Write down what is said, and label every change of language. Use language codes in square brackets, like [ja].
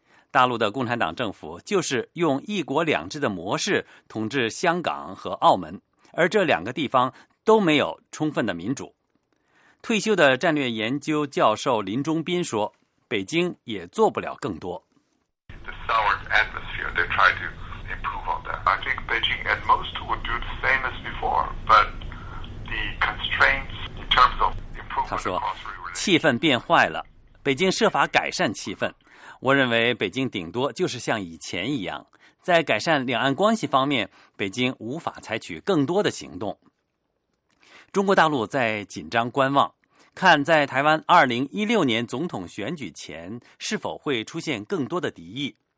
[zh] 大陆的共产党政府就是用一国两制的模式统治香港和澳门，而这两个地方都没有充分的民主。退休的战略研究教授林中斌说，北京也做不了更多。 [en] The sour atmosphere, they try to improve on that. I think Beijing at most would do the same as before, but the constraints in terms of improvement. [zh] 他说，气氛变坏了，北京设法改善气氛。我认为北京顶多就是像以前一样，在改善两岸关系方面，北京无法采取更多的行动。中国大陆在紧张观望，看在台湾2016年总统选举前是否会出现更多的敌意。